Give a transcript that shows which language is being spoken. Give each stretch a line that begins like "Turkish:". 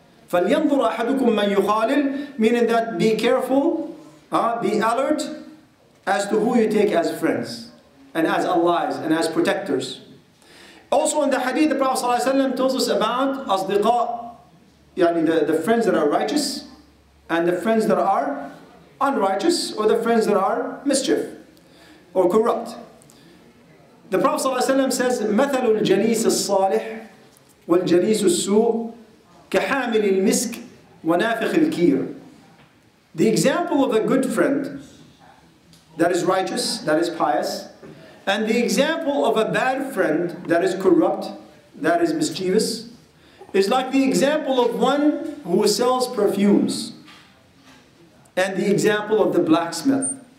Arabic: فَلْيَنْظُرْ أَحَدُكُمْ مَنْ يُخَالِلْ,
English: meaning that be careful, be alert as to who you take as friends and as allies and as protectors. Also in the hadith, the Prophet ﷺ tells us about أَصْدِقَاء, yani the friends that are righteous and the friends that are unrighteous or the friends that are mischief or corrupt. The Prophet ﷺ says,
Arabic: مَثَلُ الْجَلِيسِ الصَّالِحِ والجليس السوء كحامل المسك ونافخ الكير.
English: The example of a good friend that is righteous, that is pious, and the example of a bad friend that is corrupt, that is mischievous, is like the example of one who sells perfumes and the example of the blacksmith.